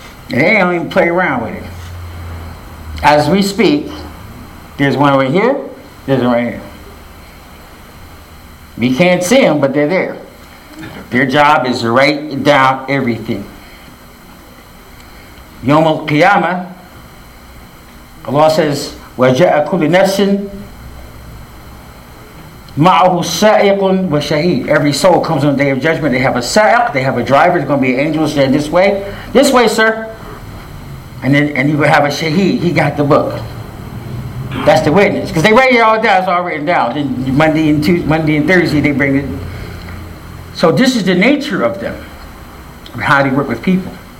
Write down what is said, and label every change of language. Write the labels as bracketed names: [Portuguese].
[English] And they don't even play around with it. As we speak, there's one right here, there's one right here. We can't see them, but they're there. Their job is to write down everything. [Arabic] Yawm al-Qiyamah, [English] Allah says, [Arabic] وَجَاءَ كُلِّ نَفْسٍ مَعَهُ سَائِقٌ وَشَهِيدٌ. [English] Every soul comes on the day of judgment. They have a sa'iq, they have a driver. It's going to be an angel saying, this way, sir. And then and you will have a shaheed. He got the book. That's the witness. Because they write it all down. It's all written down. Then Monday and Thursday, they bring it. So this is the nature of them, how they work with people.